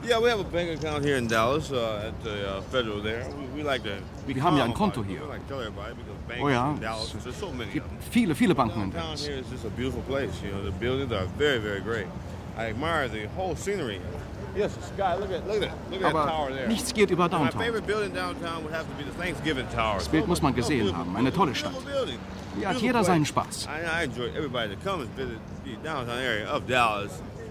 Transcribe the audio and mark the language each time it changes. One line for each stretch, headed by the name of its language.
English: Yeah, we have a bank account here in Dallas at the federal there. We like to.
German: Wir haben ja ein Konto hier. Oh ja, es gibt viele, viele Banken in Dallas.
English: Downtown here is just a beautiful place. You know, the buildings are very, very great. I admire the whole scenery. Yes, Scott, look at
German: aber
English: that tower there.
German: Nichts geht über Downtown.
English: My favorite building downtown would have to be the Thanksgiving Tower.
German: Das Bild muss man gesehen haben. Eine tolle Stadt. Hier hat jeder seinen Spaß.
English: I enjoy everybody that comes visit the downtown area of Dallas.